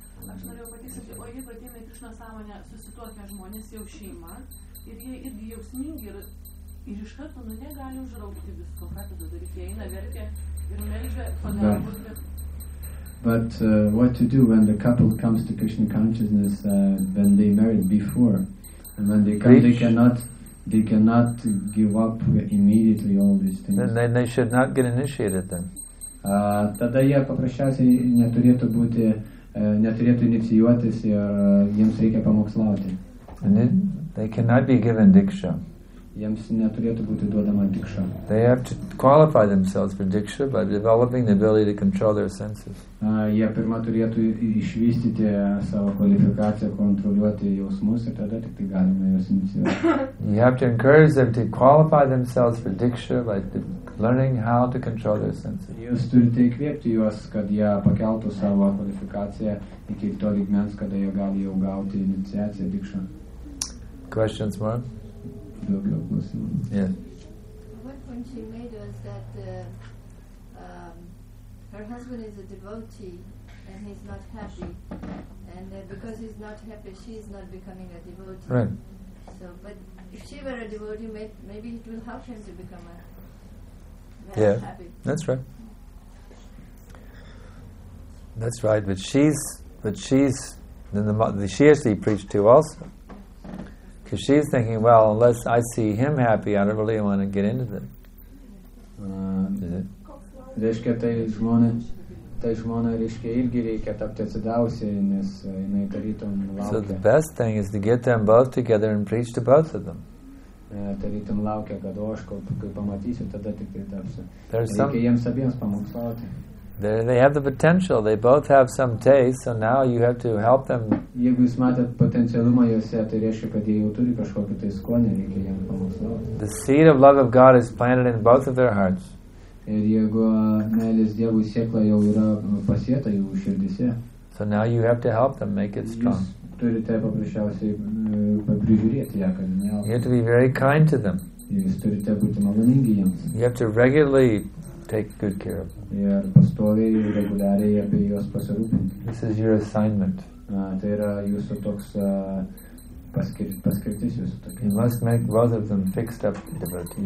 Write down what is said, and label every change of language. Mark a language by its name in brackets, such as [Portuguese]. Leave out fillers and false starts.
[Lithuanian] Aš norėjau patikslinti, o jeigu ateina į Krišnos sąmonę susituokę žmonės, jau šeima, ir jie irgi jausmingi ir iš karto, nu, jie gali užraukti visko, ką tada daryti, jie eina verkia ir meldžia pagalbos. [English] But what to do when the couple comes to Krishna consciousness when they married before, and when they come, preach. they cannot give up immediately all these things. Then they should not get initiated then. [Lithuanian] Tada jie paprasčiausiai neturėtų būti, neturėtų inicijuotis ir jiems reikia pamokslauti. [English] And they cannot be given diksha. [Lithuanian] Jiems neturėtų būti duodama diksha. [English] They have to qualify themselves for diksha by developing the ability to control their senses. [Lithuanian] Jie pirma turėtų išvystyti savo kvalifikaciją, kontroliuoti jausmus, ir tada tik tai galima juos inicijuoti. [English] You have to encourage them to qualify themselves for diksha by learning how to control their senses. [Lithuanian] Jūs turite įkvėpti juos, kad jie pakeltų savo kvalifikaciją iki to lygmens, kada jie gali jau gauti iniciaciją diksha. [English] Questions more? Yeah. One point she made was that her husband is a devotee and he's not happy, and because he's not happy, she is not becoming a devotee. Right. So, but if she were a devotee, maybe it will help him to become a happy. Yeah. That's right. That's right. But she has to preach to also. Because she's thinking, well, unless I see him happy, I don't really want to get into it. [Lithuanian] Reiškia, tai žmonės, tai žmona reiškia irgi reikia tapti atsidavusiai, nes jinai tarytum laukia. [English] So the best thing is to get them both together and preach to both of them. [Lithuanian] Tarytum laukia, kad o aš kai pamatysiu, tada tik tai tapsiu. Reikia jiems abiems pamokslauti. [English] They have the potential. They both have some taste, so now you have to help them. [Lithuanian] Jeigu jūs matėt potencialumą juose, tai reiškia, kad jie jau turi kažkokį tai skonį, reikia jiems pamokslauti. [English] The seed of love of God is planted in both of their hearts. [Lithuanian] Ir jeigu meilės Dievui sėkla jau yra pasėta jų širdise. [English] So now you have to help them make it strong. [Lithuanian] Jūs turite paprasčiausiai prižiūrėti ją, kad jinai. [English] You have to be very kind to them. [Lithuanian] Jūs turite būti maloningi jiems. [English] You have to regularly take good care of them. [Lithuanian] Ir pastoviai reguliariai apie juos pasirūpinti. [English] This is your assignment. [Lithuanian] Tai yra jūsų toks paskirtis jūsų tokia. [English] You must make both of them fixed up devotees.